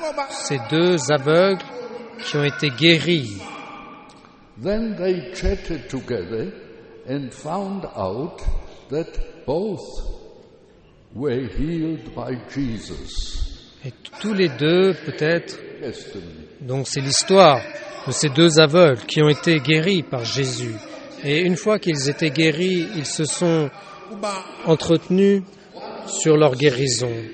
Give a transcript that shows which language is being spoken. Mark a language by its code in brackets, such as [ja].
[fr] Ces deux aveugles qui ont été guéris. [en] Then they chatted together and found out that both were healed by Jesus. [fr] Et tous les deux, peut-être. Donc c'est l'histoire de ces deux aveugles qui ont été guéris par Jésus. Et une fois qu'ils étaient guéris, ils se sont entretenus sur leur guérison.